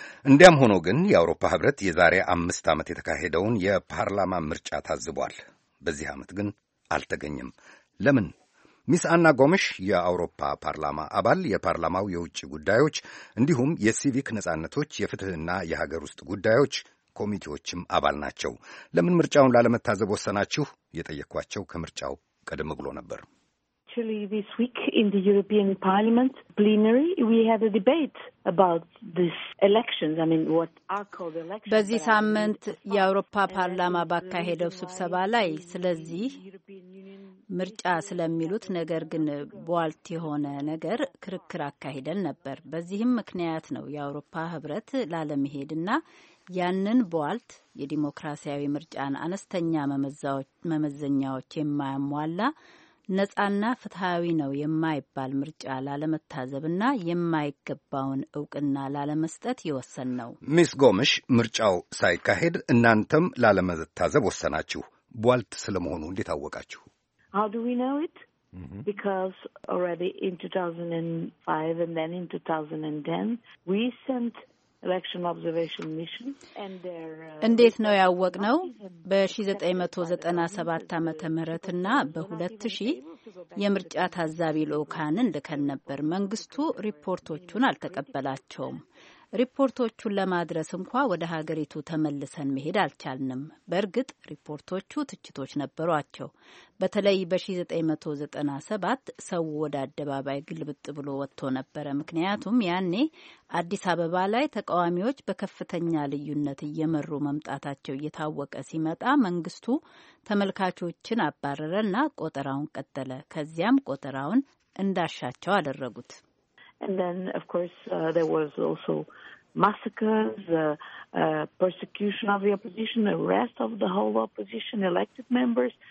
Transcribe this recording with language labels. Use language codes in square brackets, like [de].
[am] እንዲያም ሆኖ ግን የአውሮፓ ህብረት የዛሬ 5 ዓመት የተካሄደውን የፓርላማ ምርጫ ታዝቧል። በዚህ ዓመት ግን አልተገኘም። ለምን? ሚስ አና ጎመሽ የአውሮፓ ፓርላማ አባል፣ የፓርላማው የውጭ ጉዳዮች እንዲሁም የሲቪክ ነጻነቶች፣ የፍትህና የሀገር ውስጥ ጉዳዮች ኮሚቴዎችም አባል ናቸው። ለምን ምርጫውን ላለመታዘብ ወሰናችሁ? የጠየኳቸው ከምርጫው ቀደም ብሎ ነበር። [en] Actually, this week in the European Parliament plenary, we had a debate about these elections. I mean, what are called elections? [am] በዚህ ሳምንት የአውሮፓ ፓርላማ ባካሄደው ስብሰባ ላይ ስለዚህ ምርጫ ስለሚሉት ነገር ግን ቧልት የሆነ ነገር ክርክር አካሄደን ነበር። በዚህም ምክንያት ነው የአውሮፓ ህብረት ላለመሄድና ያንን ቧልት የዲሞክራሲያዊ ምርጫን አነስተኛ መመዘኛዎች የማያሟላ ነጻና ፍትሃዊ ነው የማይባል ምርጫ ላለመታዘብና የማይገባውን እውቅና ላለመስጠት የወሰን ነው። ሚስ ጎምሽ ምርጫው ሳይካሄድ እናንተም ላለመታዘብ ወሰናችሁ። ቧልት ስለመሆኑ እንዴት አወቃችሁ? [en] How do we know it? Because already in 2005 and then in 2010 we sent election observation mission and their [am] እንዴት ነው ያወቅነው? በ1997 ዓመተ ምህረትና በ2000 የምርጫ ታዛቢ ልዑካንን ልከን ነበር። መንግስቱ ሪፖርቶቹን አልተቀበላቸውም። ሪፖርቶቹን ለማድረስ እንኳ ወደ ሀገሪቱ ተመልሰን መሄድ አልቻልንም። በእርግጥ ሪፖርቶቹ ትችቶች ነበሯቸው። በተለይ በ1997 ሰው ወደ አደባባይ ግልብጥ ብሎ ወጥቶ ነበር። ምክንያቱም ያኔ አዲስ አበባ ላይ ተቃዋሚዎች በከፍተኛ ልዩነት እየመሩ መምጣታቸው እየታወቀ ሲመጣ መንግስቱ ተመልካቾችን አባረረና ቆጠራውን ቀጠለ። ከዚያም ቆጠራውን እንዳሻቸው አደረጉት። [en] And then, of course, there was also massacres, persecution of the opposition, arrest of the whole opposition, elected members.